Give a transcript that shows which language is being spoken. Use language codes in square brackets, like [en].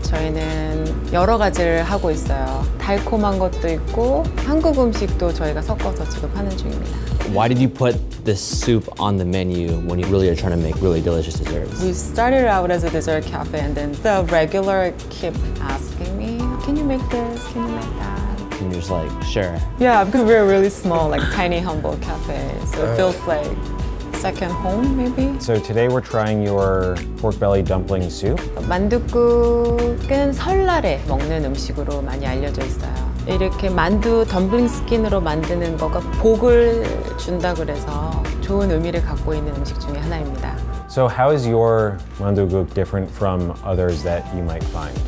[ko] 저희는 여러 가지를 하고 있어요. 달콤한 것도 있고 한국 음식도 저희가 섞어서 지금 하는 중입니다. [en] Why did you put this soup on the menu when you really are trying to make really delicious desserts? We started out as a dessert cafe and then the regular kept asking me, can you make this, can you make that? And you're just like, sure. Yeah, because we're a really small, like tiny, humble cafe. So it feels like second home, maybe. So today we're trying your pork belly dumpling soup. [ko] 만둣국은 설날에 먹는 음식으로 많이 알려져 있어요. 이렇게 만두 덤블링 스킨으로 만드는 거가 복을 준다 그래서 좋은 의미를 갖고 있는 음식 중에 하나입니다. [en] So how is your 만두국 different from others that you might find?